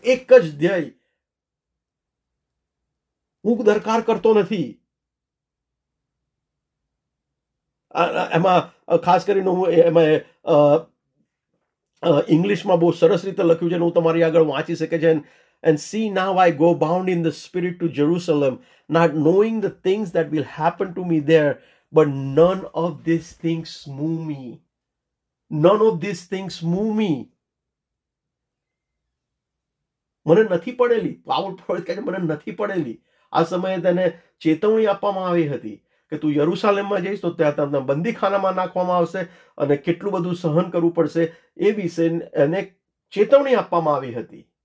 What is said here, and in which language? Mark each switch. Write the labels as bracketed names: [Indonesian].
[Gujarati] એક જ ધ્યેય, હું દરકાર કરતો નથી. એમાં ખાસ કરીને હું એમાં ઇંગ્લિશમાં બહુ સરસ રીતે લખ્યું છે, હું તમારી આગળ વાંચી શકે છે. [English] And see, now I go bound in the spirit to Jerusalem, not knowing the things that will happen to me there, but none of these things move me. None of these things move me. [Gujarati] મને નથી પડેલી, પાવલ કહે છે મને નથી પડેલી. આ સમયે તેને ચેતવણી આપવામાં આવી હતી કે તું યરુસાલેમમાં જઈશ તો ત્યાં તમને બંદીખાનામાં નાખવામાં આવશે અને કેટલું બધું સહન કરવું પડશે, એ વિશે એને ચેતવણી આપવામાં આવી હતી.